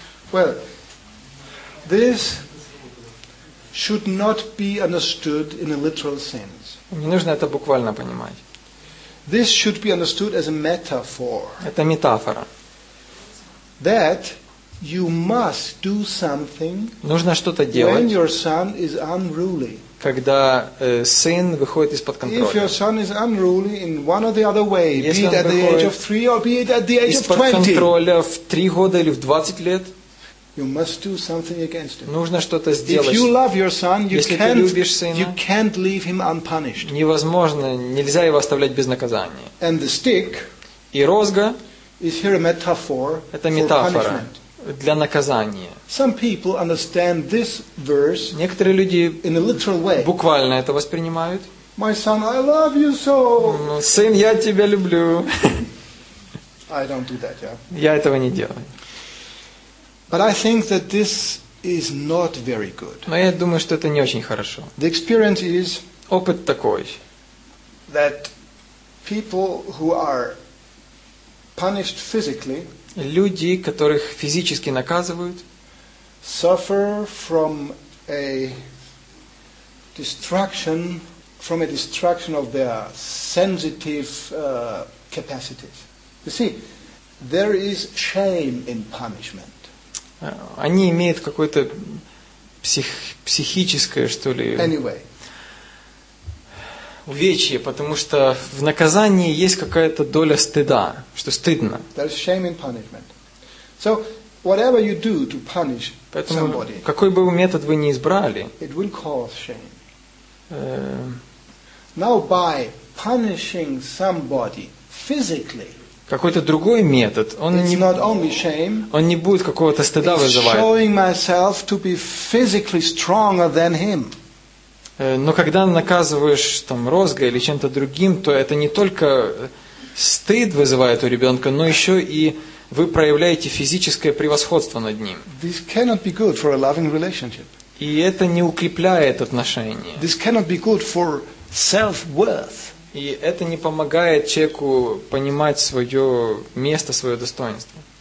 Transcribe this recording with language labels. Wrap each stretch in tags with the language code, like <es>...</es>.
<en>Well, this should not be understood in a literal sense.</en> <ru>Не нужно это буквально понимать.</ru> <en>This should be understood as a metaphor.</en> <ru>Это метафора.</ru> <en>That you must do something.</en> <ru>Нужно что-то делать.</ru> <en>When your son is unruly.</en> <ru>Когда сын выходит из-под контроля.</ru> <en>If your son is unruly in one or the other way, be it at the age of 3 or be it at the age of 20.</en> <ru>Из-под контроля в 3 года или в 20 лет.</ru> <en>You must do something against him.</en> <ru>Нужно что-то сделать.</ru> <en>If you love your son, you</en> <ru>если ты любишь сына,</ru> <en>you can't leave him unpunished.</en> <ru>Невозможно, нельзя его оставлять без наказания.</ru> <en>And the stick</en> <ru>и розга</ru> <en>is here a metaphor</en> <ru>это метафора для наказания.</ru> <en>Some people understand this verse</en> <ru>некоторые люди</ru> <en>in a literal way.</en> <ru>Буквально это воспринимают.</ru> <en>My son, I love you so.</en> <ru>Сын, я тебя люблю.</ru> <en>I don't do that, yeah.</en> <ru>Я этого не делаю.</ru> <en>But I think that this is not very good.</en> <ru>Но я думаю, что это не очень хорошо.</ru> <en>The experience is</en> <ru>опыт такой,</ru> <en>that people who are punished physically,</en> <ru>люди, которых физически наказывают,</ru> <en>suffer from a destruction of their sensitive capacities. You see, there is shame in punishment.</en> <ru>Они имеют какое-то психическое, что ли,</ru> <en>anyway.</en> <ru>Увечье, потому что в наказании есть какая-то доля стыда, что стыдно.</ru> <en>There's shame in punishment. So, whatever you do to punish</en> <ru>поэтому,</ru> <en>somebody,</en> <ru>какой бы метод вы ни избрали,</ru> <en>it will cause shame. Now, by punishing somebody physically,</en> <ru>какой-то другой метод, он не будет какого-то стыда вызывать. Но когда наказываешь там розгой или чем-то другим, то это не только стыд вызывает у ребенка, но еще и вы проявляете физическое превосходство над ним.</ru> <en>This cannot be good for a loving relationship.</en> <ru>И это не укрепляет отношения.</ru> <en>This cannot be good for self-worth.</en> <ru>И это не помогает человеку понимать свое место, свое достоинство.</ru>